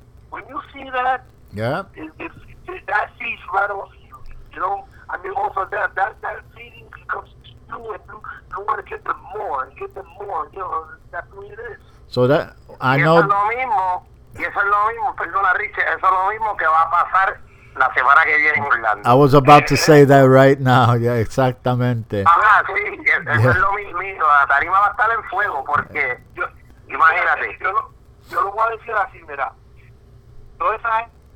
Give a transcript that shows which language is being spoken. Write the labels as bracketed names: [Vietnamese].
[English] When you see that, that feeds right off you. Also that feeding becomes you, and you want to get them more. So that, I know. [Spanish] Y eso es lo mismo, perdona Richie, eso es lo mismo que va a pasar la semana que viene en Orlando. [English] I was about to say that right now, yeah, [Spanish] exactamente. Eso es lo mismo, la tarima va a estar en fuego porque, imagínate. Yo lo voy a decir así, mira, ¿no es ahí?